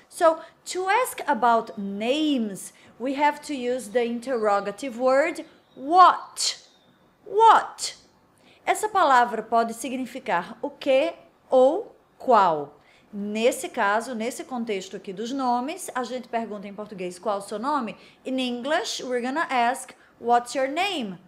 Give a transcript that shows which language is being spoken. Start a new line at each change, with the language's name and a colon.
English: So, to ask about names, we have to use the interrogative word what. What?
Portuguese: Essa palavra pode significar o que ou qual. Nesse caso, nesse contexto aqui dos nomes, a gente pergunta em português qual o seu nome.
English: In English, we're gonna ask, what's your name?